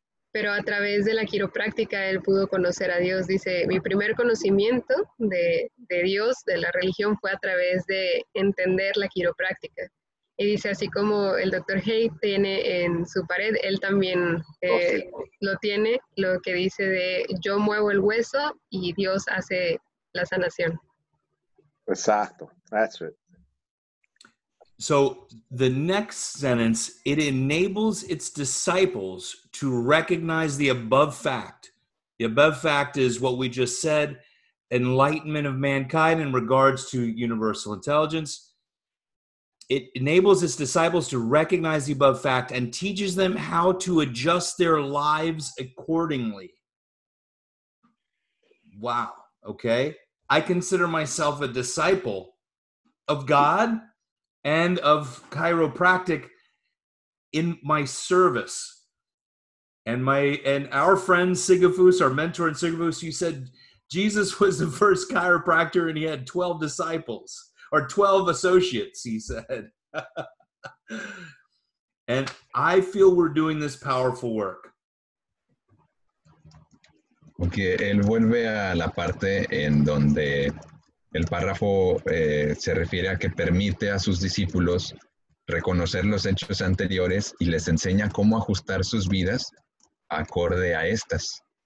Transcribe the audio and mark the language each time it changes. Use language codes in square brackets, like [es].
[es] Pero a través de la quiropráctica él pudo conocer a Dios. Dice, mi primer conocimiento de Dios, de la religión, fue a través de entender la quiropráctica. Y dice, así como el doctor Hay tiene en su pared, él también lo tiene, lo que dice de yo muevo el hueso y Dios hace la sanación. Exacto, [en] that's it. So the next sentence, it enables its disciples to recognize the above fact. The above fact is what we just said, enlightenment of mankind in regards to universal intelligence. It enables its disciples to recognize the above fact and teaches them how to adjust their lives accordingly. Wow. Okay. I consider myself a disciple of God and of chiropractic in my service. And our friend Sigafoos, our mentor in Sigafoos, you said Jesus was the first chiropractor and he had 12 disciples or 12 associates, he said. And I feel we're doing this powerful work. [es] Okay, él vuelve a la parte en donde el párrafo se refiere a que permite a sus discípulos reconocer los hechos anteriores y les enseña cómo ajustar sus vidas acorde a estas.